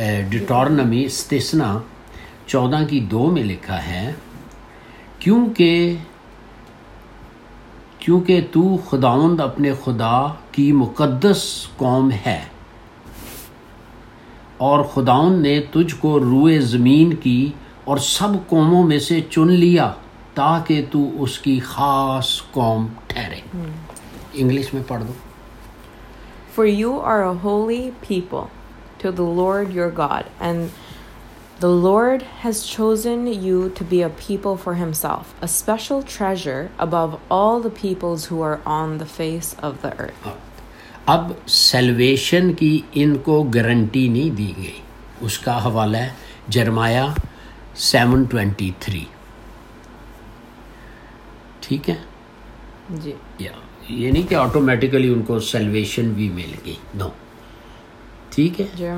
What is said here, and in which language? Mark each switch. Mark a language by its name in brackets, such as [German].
[Hindi] डिटॉर्नमी स्तिसना 14:2 में लिखा है, क्योंकि तू खुदावंद अपने खुदा की मुकद्दस कौम है, और खुदावंद ने तुझको रूए ज़मीन की और सब कौमों में से चुन लिया ताकि तू उसकी खास कौम ठहरे। इंग्लिश में पढ़ दो। [English] For you are a holy people to the Lord your God, and the Lord has chosen you to be a people for himself, a special treasure above all the peoples who are on the face of the earth. [Hindi] अब salvation की इनको guarantee नहीं दी गई, उसका हवाला है जरमाया 7:23, ठीक है जी। या ये नहीं कि ऑटोमेटिकली उनको सेल्वेशन भी मिल गई, नो, ठीक है।